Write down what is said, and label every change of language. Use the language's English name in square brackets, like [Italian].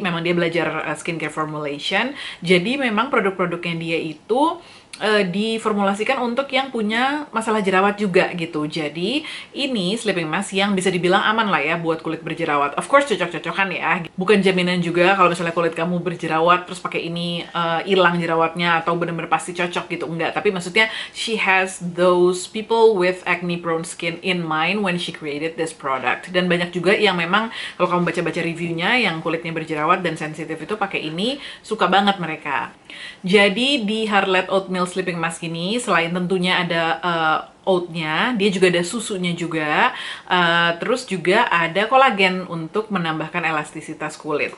[Indonesian] Memang dia belajar skincare formulation, jadi memang produk-produknya dia itu diformulasikan untuk yang punya masalah jerawat juga gitu. Jadi ini sleeping mask yang bisa dibilang aman lah ya buat kulit berjerawat. Of course cocok-cocokan ya. Bukan jaminan juga kalau misalnya kulit kamu berjerawat terus pakai ini hilang jerawatnya atau benar-benar pasti cocok gitu, enggak. Tapi maksudnya [English] she has those people with acne prone skin in mind when she created this product. [Indonesian] Dan banyak juga yang memang kalau kamu baca-baca reviewnya yang kulitnya berjerawat dan sensitif itu pakai ini suka banget mereka. Jadi di Harlot Oatmeal Sleeping Mask ini, selain tentunya ada oatnya, dia juga ada susunya juga, terus juga ada kolagen untuk menambahkan elastisitas kulit.